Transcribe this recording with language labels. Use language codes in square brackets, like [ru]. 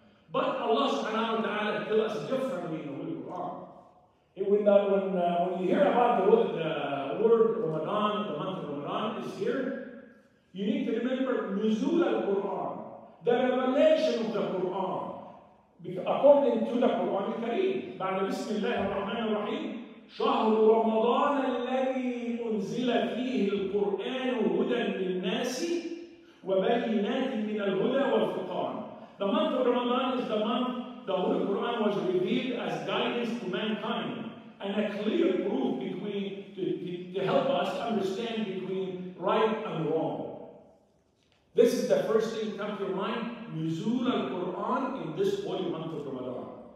[en] But Allah subhanahu wa ta'ala tells us differently in the Holy Quran. When you hear about the word Ramadan, the month of Ramadan is here, you need to remember Nuzul al-Quran, the revelation of the Quran, according to the Quran al-Kareem. [ar] بعد بسم الله الرحمن الرحيم شهر رمضان الذي أنزل فيه القرآن هدى للناس وبينات من الهدى والفقان. [en] The month of Ramadan is the month the Holy Quran was revealed as guidance to mankind. And a clear proof between to help us understand between right and wrong. This is the first thing that comes to your mind, Nuzul al-Quran in this holy month of Ramadan.